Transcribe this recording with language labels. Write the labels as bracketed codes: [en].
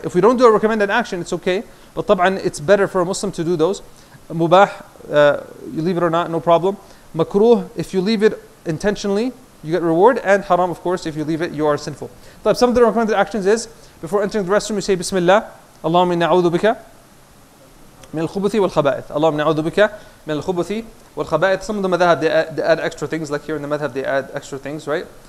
[en] If we don't do a recommended action, it's okay. But [ar] طبعاً, [en] it's better for a Muslim to do those. Mubah, you leave it or not, no problem. Makruh, if you leave it intentionally, you get reward. And haram, of course, if you leave it, you are sinful. [ar] طبعاً, [en] some of the recommended actions is, before entering the restroom, you say Bismillah. [ar] اللهم نعوذ بك من الخبث والخبائث. اللهم نعوذ بك من الخبث والخبائث. [en] Some of the madhab, they add extra things. Like here in the madhab, they add extra things, right?